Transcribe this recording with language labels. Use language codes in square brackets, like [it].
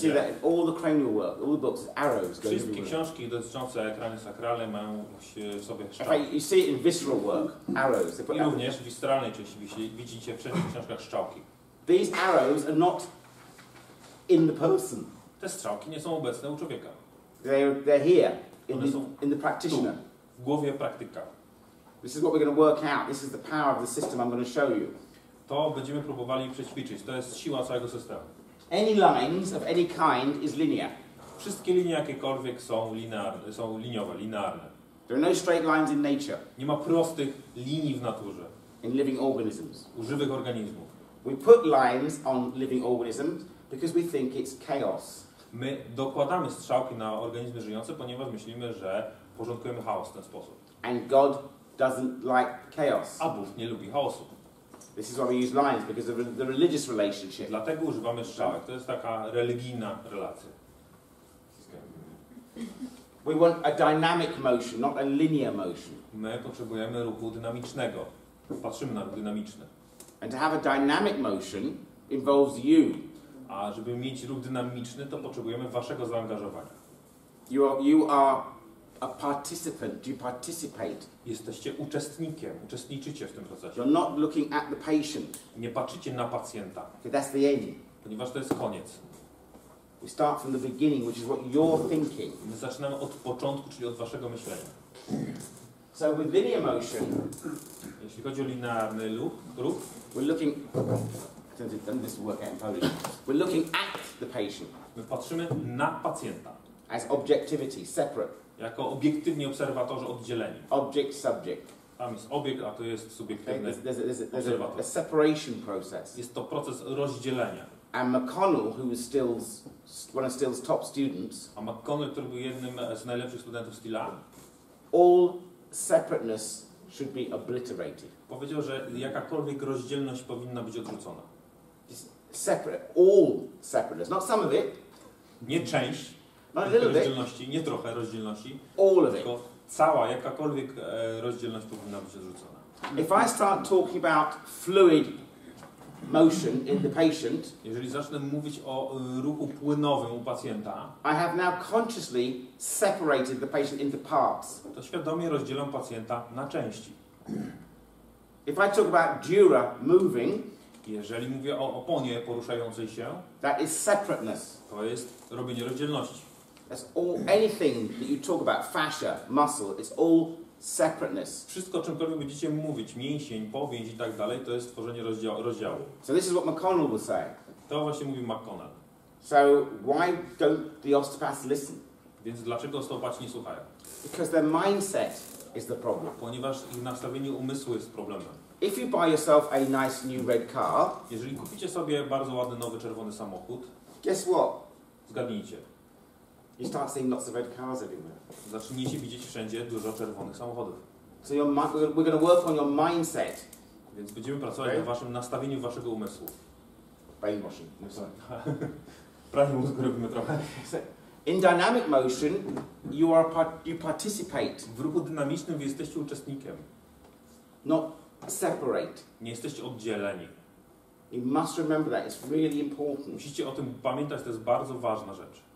[en] See that in all the cranial work, all the books, arrows go everywhere. [pl] Wszystkie książki dotyczące krania sakrale mają w sobie strzałki. [en] You see it in visceral work, arrows. [pl] I również w visceralnej części widzicie wszędzie w książkach strzałki. [en] These arrows are not in the person. [pl] Te strzałki nie są obecne u człowieka. [en] They're here in the practitioner. [pl] W głowie praktyka. [en] This is what we're going to work out. This is the power of the system I'm going to show you. [pl] To będziemy próbowali przećwiczyć. To jest siła całego systemu. [en] Any lines of any kind is linear. [pl] Wszystkie linie jakiekolwiek są linearne, są liniowe, linearne. [en] There are no straight lines in nature. [pl] Nie ma prostych linii w naturze. [en] In living organisms. [pl] U żywych organizmów. [en] We put lines on living organisms because we think it's chaos. [pl] My dokładamy strzałki na organizmy żyjące, ponieważ myślimy, że porządkujemy chaos w ten sposób. [en] And God doesn't like chaos. [pl] A Bóg nie lubi chaosu. [en] This is why we use lines, because of the religious relationship. [pl] Dlatego używamy strzałek. To jest taka religijna relacja. [en] We want a dynamic motion, not a linear motion. [pl] My potrzebujemy ruchu dynamicznego. Patrzymy na ruch dynamiczny. [en] And to have a dynamic motion involves you. [pl] A żeby mieć ruch dynamiczny, to potrzebujemy waszego zaangażowania. [en] You are a participant. You participate. [pl] Jesteście uczestnikiem. Uczestniczycie w tym procesie. [en] You're not looking at the patient. [pl] Nie patrzycie na pacjenta. [en] Okay, that's the end. [pl] Ponieważ to jest koniec. [en] We start from the beginning, which is what you're thinking. [pl] My zaczynamy od początku, czyli od waszego myślenia. [en] So with linear motion, [pl] jeśli chodzi o linearny ruch, [en] we're looking. This will work out in Polish. We're looking at the patient. [pl] My patrzymy na pacjenta. [en] As objectivity, separate. [pl] Jako obiektywni obserwatorzy oddzieleni. [en] Object, subject. [pl] Tam jest obiekt, a to jest subiektywny obserwator. [en] A separation process. [pl] Jest to proces rozdzielenia. [en] And McKone, who was Steele's, one of Steele's top students. [pl] A McKone, który był jednym z najlepszych studentów Steele'a. [en] All separateness should be obliterated. [pl] Powiedział, że jakakolwiek rozdzielność powinna być odrzucona. [en] Just separate, all separateness, not some of it. [pl] Nie część. Rozdzielności, nie trochę rozdzielności, [en] all of [pl] tylko [en] it. [pl] Cała, jakakolwiek rozdzielność powinna być odrzucona. [en] If I start talking about fluid motion in the patient, [pl] jeżeli zacznę mówić o ruchu płynowym u pacjenta, [en] I have now consciously separated the patient into parts. [pl] To świadomie rozdzielam pacjenta na części. [en] If I talk about dura moving, [pl] jeżeli mówię o oponie poruszającej się, [en] that is separateness. [pl] To jest robienie rozdzielności. [en] That's all, anything that you talk about, fascia, muscle, it's all separateness. [pl] Wszystko, o czymkolwiek będziecie mówić, mięsień, powięź i tak dalej, to jest tworzenie rozdziału. [en] So this is what McKone will say. [pl] To właśnie mówił McKone. [en] So why don't the osteopaths listen? [pl] Więc dlaczego osteopaci nie słuchają? [en] Because their mindset is the problem. [pl] Ponieważ ich nastawienie umysłu jest problemem. [en] If you buy yourself a nice new red car, [pl] jeżeli kupicie sobie bardzo ładny nowy czerwony samochód, [en] guess what? [pl] Zgadnijcie. [en] You start seeing lots of red cars everywhere. [pl] Zaczniecie widzieć wszędzie dużo czerwonych samochodów. [en] So we're going to work on your mindset. [pl] Więc będziemy pracować na waszym nastawieniu waszego umysłu. [en] Brainwashing. No sorry. [pl] Prawie mózgu robimy trochę. [en] In dynamic motion, you participate. [pl] W ruchu dynamicznym wy jesteście uczestnikiem. [en] Not separate. [pl] Nie jesteście oddzieleni. [en] You must remember that. It's really important. [pl] Musicie o tym pamiętać. To jest bardzo ważna rzecz.